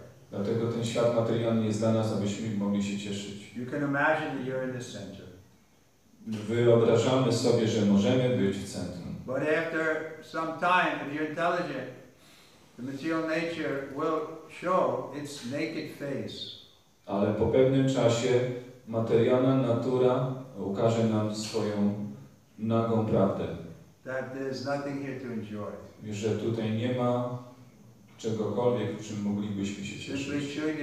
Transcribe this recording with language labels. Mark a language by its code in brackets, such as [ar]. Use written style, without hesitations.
[pl] Dlatego ten świat materialny jest dla nas, abyśmy mogli się cieszyć. [en] You can imagine that you're in the center. [pl] Wyobrażamy sobie, że możemy być w centrum. [en] But after some time, if you're intelligent, The material nature will show its naked face. [pl] Ale po pewnym czasie materialna natura ukaże nam swoją nagą prawdę. [en] That there is nothing here to enjoy. [pl] Że tutaj nie ma czegokolwiek, w czym moglibyśmy się cieszyć.